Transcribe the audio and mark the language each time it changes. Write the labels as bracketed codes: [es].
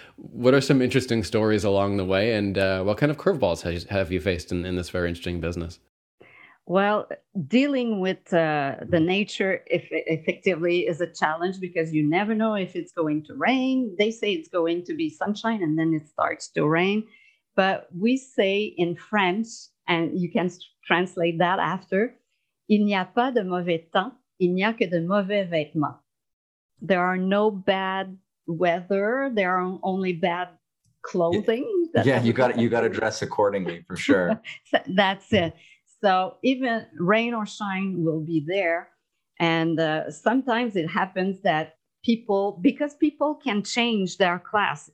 [en] What are some interesting stories along the way, and what kind of curveballs have you faced in this very interesting business? Well, dealing with the nature effectively is a challenge because you never know if it's going to rain. They say it's going to be sunshine and then it starts to rain. But we say in French, and you can translate that after, [fr] il n'y a pas de mauvais temps, il n'y a que de mauvais vêtements. [en] There are no bad weather, there are only bad clothing. Yeah, you got to dress accordingly for sure. That's it. So even rain or shine will be there. And sometimes it happens that because people can change their class.